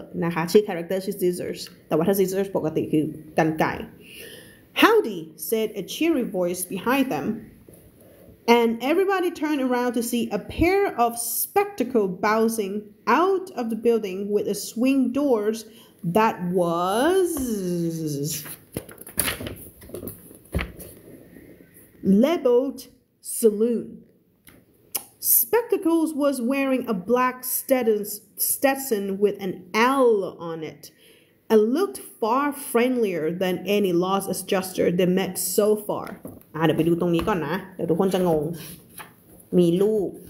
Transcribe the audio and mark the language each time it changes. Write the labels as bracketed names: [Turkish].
[Thai] นะคะชื่อ character ชื่อ scissors แต่ว่าถ้า scissors ปกติคือกรรไกร [English] Howdy said a cheery voice behind themAnd everybody turned around to see a pair of spectacles bouncing out of the building with a swing doors that was labeled Saloon. Spectacles was wearing a black Stetson with an L on it and looked far friendlier than any lost gesture they met so far. [Thai] เดี๋ยวไปดูตรงนี้ก่อนนะเดี๋ยวทุกคนจะงงมีรูป